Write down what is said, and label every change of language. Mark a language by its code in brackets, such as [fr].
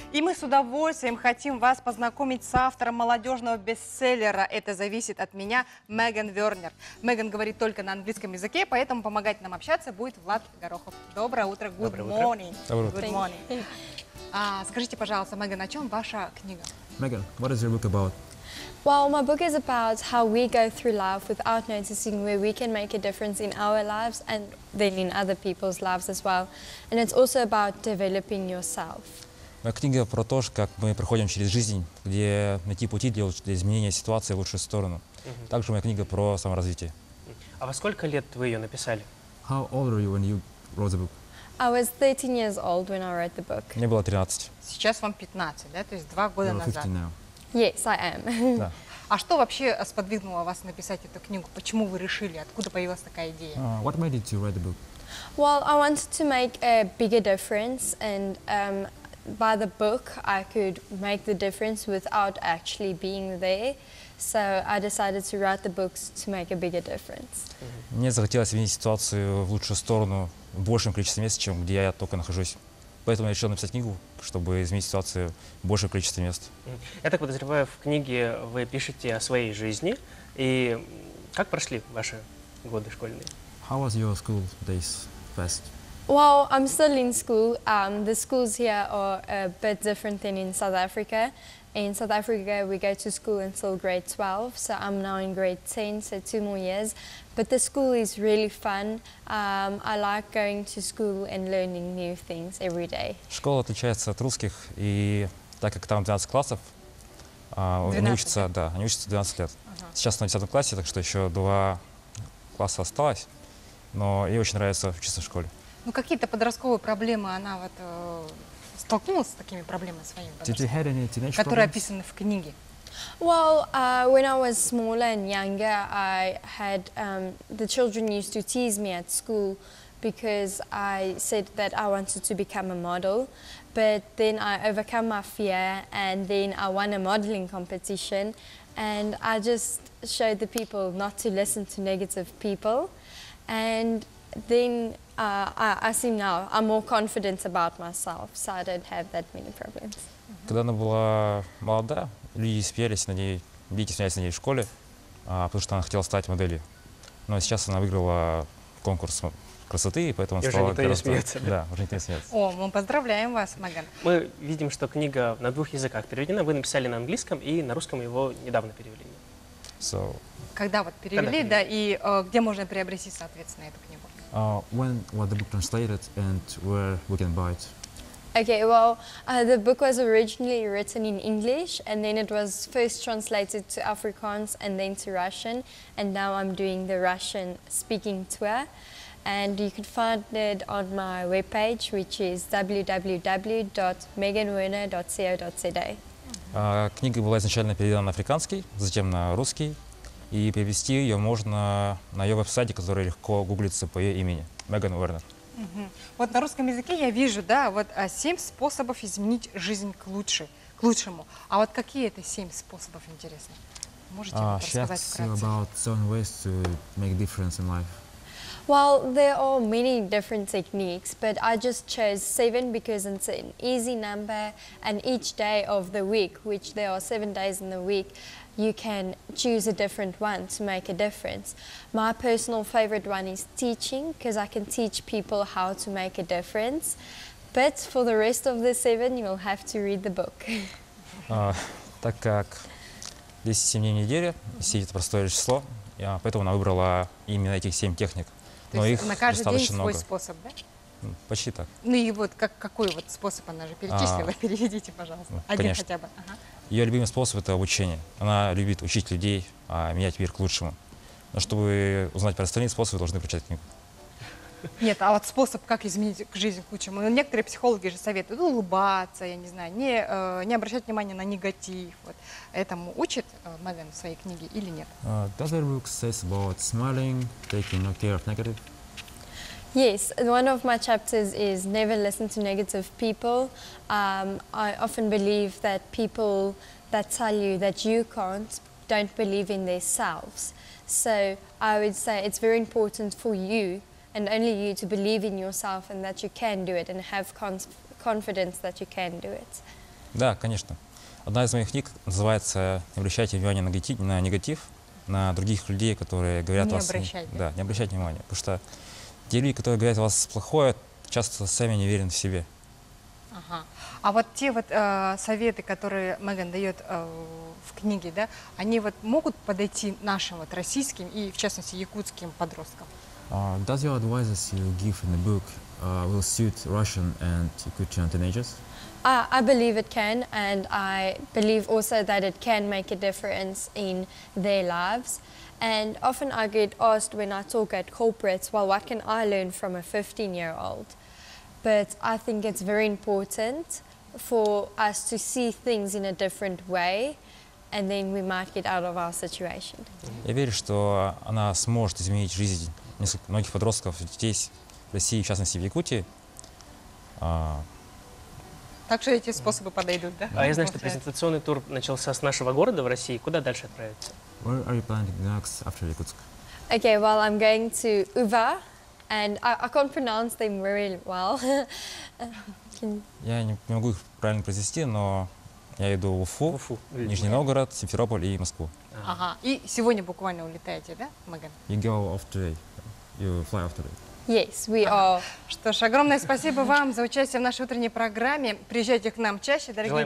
[ru] И мы с удовольствием хотим вас познакомить с автором молодежного бестселлера «Это зависит от меня» Меган Вернер. Меган говорит только на английском языке, поэтому помогать нам общаться будет Влад Горохов. Доброе утро. [en] Good morning. [ru] Доброе утро. [en] Good morning. [ru] Скажите, пожалуйста, Меган, о чем ваша книга? [en] Меган, what is your book about? Well, my book is about how we go through life without noticing where we can make a difference in our lives and then in other people's lives as well. And it's also about developing yourself. [ru] Моя книга про то, как мы проходим через жизнь, где найти пути для изменения ситуации в лучшую сторону. Также моя книга про саморазвитие. А во сколько лет вы ее написали? [en] How old were you when you wrote the book? I was 13 years old when I wrote the book. [ru] Мне было 13. Сейчас вам 15, да? То есть 2 года назад. [en] You're 15 now. Yes, I am. [ru] Да. А что вообще сподвигнуло вас написать эту книгу? Почему вы решили? Откуда появилась такая идея? [en] What made you write the book? Well, I wanted to make a bigger difference, and by the book, I could make the difference without actually being there. So I decided to write the books to make a bigger difference. [ru] Мне захотелось видеть ситуацию в лучшую сторону в большем количестве мест, чем где я только нахожусь. Поэтому я решил написать книгу, чтобы изменить ситуацию в большее количество мест. Я так подозреваю, в книге вы пишете о своей жизни. И как прошли ваши годы школьные? [en] How was your school days first? Well, I'm still in school. The schools here are a bit different than in South Africa. In South Africa, we go to school until grade 12, so I'm now in grade 10, so 2 more years. But the school is really fun. I like going to school and learning new things every day. [ru] Школа отличается от русских, и так как там 12 классов, 12. Они учатся 12 лет. Uh-huh. Сейчас на 10 классе, так что еще 2 класса осталось, но ей очень нравится учиться в школе. Ну какие-то подростковые проблемы она вот... столкнулась с такими проблемами своими, которые описаны в книге. [en] Well, when I was smaller and younger, I had the children used to tease me at school because I said that I wanted to become a model. But then I overcome my fear and then I won a modeling competition and I just showed the people not to listen to negative people. And then I seem now, I'm more confident about myself, so I don't have that many problems. [ru] Когда она была молода, люди смеялись на ней, дети смеялись на ней в школе, потому что она хотела стать моделью. Но сейчас она выиграла конкурс красоты, и поэтому и стала... И уже никто не смеется. Да, уже никто не смеется. О, мы поздравляем вас, Меган. Мы видим, что книга на двух языках переведена. Вы написали на английском, и на русском его недавно перевели. [en] So, [ru] когда вот перевели, когда перевели, да, и где можно приобрести, соответственно, эту книгу? [en] When was the book translated and where we can buy it? Okay, well, the book was originally written in English and then it was first translated to Afrikaans and then to Russian. And now I'm doing the Russian speaking tour. And you can find it on my webpage, which is www.meganwerner.co.za. [ru] Книга была изначально переведена на африканский, затем на русский. И перевести ее можно на ее веб-сайте, который легко гуглится по ее имени. Меган Вернер. Вот на русском языке я вижу, да, вот 7 способов изменить жизнь к лучшему. А вот какие это 7 способов, интересно? Можете рассказать вкратце? [en] About 7 ways to make difference in life. Well, there are many different techniques, but I just chose 7 because it's an easy number, and each day of the week, which there are 7 days in the week, you can choose a different one to make a difference. My personal favorite one is teaching, because I can teach people how to make a difference. But for the rest of the 7, you'll have to read the book. [ru] Так как 10 семей в неделю, 7 это простое число, я поэтому выбрала именно этих 7 техник. Но их на каждый день свой много. Способ, да? Почти так. Ну и вот какой вот способ она же перечислила? Переведите, пожалуйста. Конечно. Один хотя бы. Ага. Ее любимый способ – это обучение. Она любит учить людей, менять мир к лучшему. Но чтобы узнать про остальные способы, должны прочитать книгу. Нет, а вот способ, как изменить жизнь к лучшему. Некоторые психологи же советуют улыбаться, я не знаю, не обращать внимания на негатив. Вот. Этому учит Меган в своей книге или нет? [en] Does your book say about smiling, taking no care of negative? Yes, one of my chapters is never listen to negative people. I often believe that people that tell you that you can't don't believe in themselves. So I would say it's very important for you and only you to believe in yourself and that you can do it and have confidence that you can do it. [ru] Да, конечно. Одна из моих книг называется «Не обращайте внимания на негатив, на других людей, которые говорят не вас...» Не обращайте. Да, не обращайте внимания, потому что те люди, которые говорят вас плохое, часто сами не уверены в себе. Ага. А вот те вот советы, которые Меган дает в книге, да, они вот могут подойти нашим вот российским и, в частности, якутским подросткам? [en] Does your advices you give in the book will suit Russian and Yakutian teenagers? I believe it can, and I believe also that it can make a difference in their lives. And often I get asked when I talk at corporates, well, what can I learn from a 15-year-old? But I think it's very important for us to see things in a different way, and then we might get out of our situation. [ru] Я верю, что она сможет изменить жизнь многих подростков здесь, в России, в частности, в Якутии. Так что эти способы подойдут, да? А я знаю, что презентационный тур начался с нашего города в России. Куда дальше отправиться? [en] Where are you planning next after Якутск? Okay, well, I'm going to Uva, and I can't pronounce them very well. [ru] Я не могу их правильно произнести, но я иду в Уфу, Уфу, Нижний Новгород, Симферополь и Москву. Ага. И сегодня буквально улетаете, да, Меган? [en] You go off today. You fly off today. Yes, we are. [ru] Что ж, огромное спасибо вам за участие в нашей утренней программе. Приезжайте к нам чаще, дорогие друзья.